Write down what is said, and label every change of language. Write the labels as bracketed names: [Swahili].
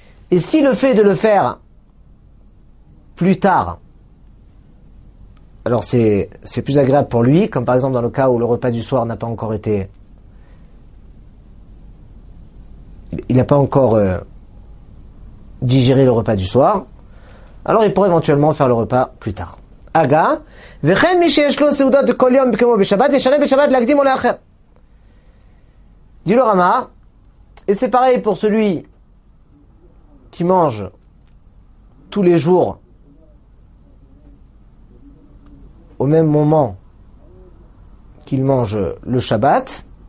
[French] Et si le fait de le faire plus tard, alors c'est plus agréable pour lui, comme par exemple dans le cas où le repas du soir n'a pas encore été... Il n'a pas encore digéré le repas du soir, alors il pourra éventuellement faire le repas plus tard. [Hebrew] Aga, וכן מי שיש לו סעודות כל יום כמו בשבת, ישנה בשבת להקדים או לאחר. [French] Dit le Rama, et c'est pareil pour celui qui mange tous les jours au même moment qu'il mange le Shabbat.